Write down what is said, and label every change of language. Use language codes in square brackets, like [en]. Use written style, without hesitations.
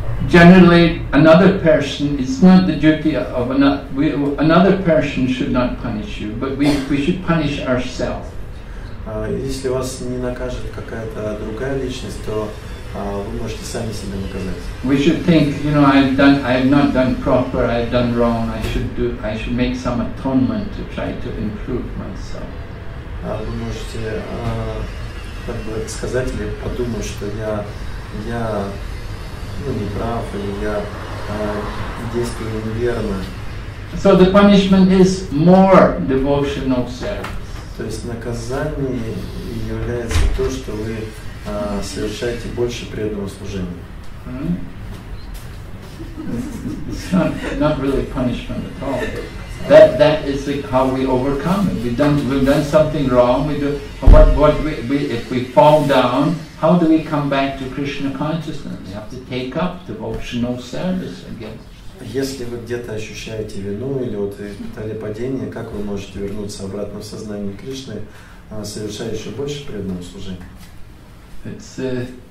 [en] Generally, another person, it's not the duty of another person should not punish you, but we should punish ourselves. [ru] Если вас не накажет какая-то другая личность, то вы можете сами себя наказать. [en] We should think, I should make some atonement to try to improve myself. [ru] Вы можете сказать или подумать, что я не прав, или я действую неверно. [en] So the punishment is more devotional service. [ru] То есть наказание является то, что вы совершаете больше преданного служения. [en] It's not really punishment at all. That that is like how we overcome it. We've done something wrong. What we if we fall down, how do we come back to Krishna consciousness? We have to take up devotional service again. [ru] Если вы где-то ощущаете вину или вот испытали падение, как вы можете вернуться обратно в сознание Кришны, совершая еще больше преданного служения?